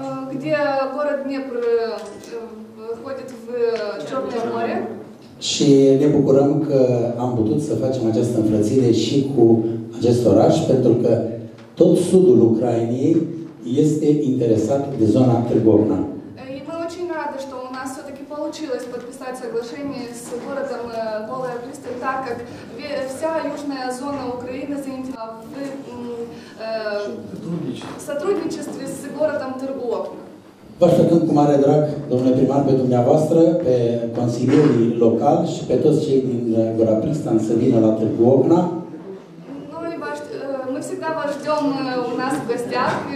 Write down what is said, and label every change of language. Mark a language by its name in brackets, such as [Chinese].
[Romanian] unde [Russian] gora Dnipru входит в Черное море. [Romanian] Și ne bucurăm că am putut să facem această înfrățire și cu acest oraș, pentru că tot sudul Ucrainei este interesat de zona Târgu Ocna. [Russian] И мы очень рады, что у нас все-таки получилось подписать соглашение с городом Голая Пристань, так как вся южная зона Украины в сотрудничестве с городом Тербок. [Romanian] Vă așteptăm cu mare drag, domnule primar, pe dumneavoastră, pe consilierii locali și pe toți cei din Gura Pristan să vină la Târgu Ocna. Noi vă așteptăm un astfel gosteac,